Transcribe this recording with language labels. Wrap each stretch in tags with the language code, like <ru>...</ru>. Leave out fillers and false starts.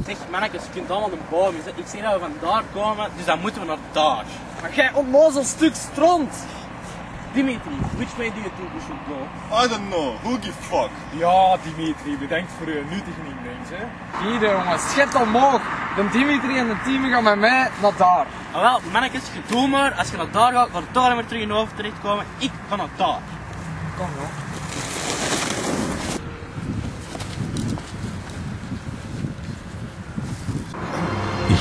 <nl>Mannekes, je kunt allemaal een boom is. Ik zie dat we van daar komen, dus dan moeten we naar daar. Maar jij onnozel stuk stront!</nl> <en>Dimitri, which way do you think we should go? I don't know, who give a fuck?</en> <nl>Ja, Dimitri, bedankt voor je nuttige inbrengst, hè. Hier, jongens, schet omhoog. De Dimitri en de team gaan met mij naar daar. Ah, wel, mannekes, je doet maar. Als je naar daar gaat, van daar weer terug in je hoofd terechtkomen. Ik ga naar daar. Kom, joh.</nl>